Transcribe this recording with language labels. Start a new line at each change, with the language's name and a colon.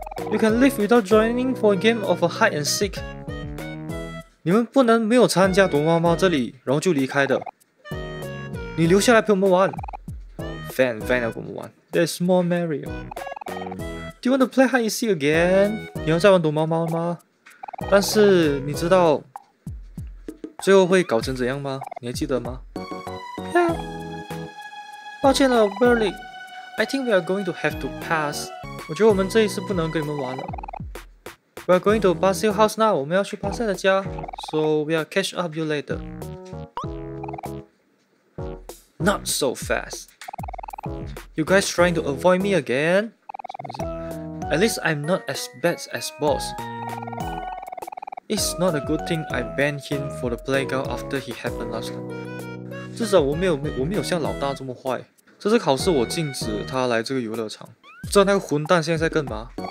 English: ？You can leave without joining for a game of a hide and seek.
Chinese: 你们不能没有参加躲猫猫这里，然后就离开的。你留下来陪我们玩。Fan 要跟我们玩。
English: There's more Mario. Do you want to play hide and seek again?
Chinese: 你要再玩躲猫猫吗？但是你知道最后会搞成怎样吗？你还记得吗
English: ？Yeah.
Chinese: 抱歉了 ，Billy.
English: I think we are going to have to pass.
Chinese: 我觉得我们这一次不能跟你们玩了。
English: We are going to Basil House now.
Chinese: 我们要去巴塞的家。
English: So we are catch up you later. Not so fast. You guys trying to avoid me again? At least I'm not as bad as boss. It's not a good thing I banned him for the playground after he happened last time.
Chinese: 至少我没有像老大这么坏。这次考试我禁止他来这个游乐场。不知道那个混蛋现在在干嘛？